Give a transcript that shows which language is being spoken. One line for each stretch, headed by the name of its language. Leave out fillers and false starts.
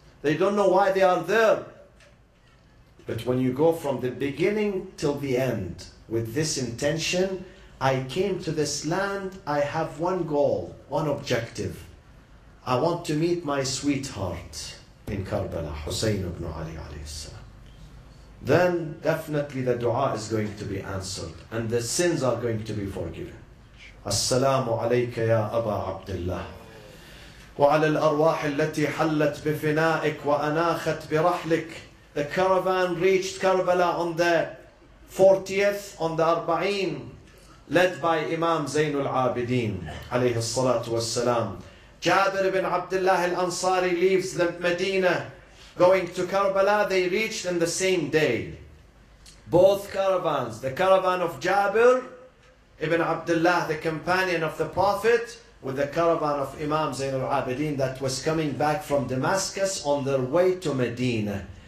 English: They don't know why they are there. But when you go from the beginning till the end with this intention, I came to this land, I have one goal, one objective. I want to meet my sweetheart in Karbala, Hussein ibn Ali alayhi salam. Then definitely the dua is going to be answered and the sins are going to be forgiven. As-salamu alayka ya Aba Abdullah.
Arabic: وعلى الأرواح التي حلت بفنائك وأناخت برحلك.
English: The caravan reached Karbala on the 40th, on the 40th, led by Imam Zain al-Abidin عليه الصلاة والسلام. Jabir ibn Abdullah al-Ansari leaves the Medina, going to Karbala. They reached in the same day. Both caravans, the caravan of Jabir ibn Abdullah, the companion of the Prophet, with the caravan of Imam Zain al-Abidin that was coming back from Damascus on their way to Medina.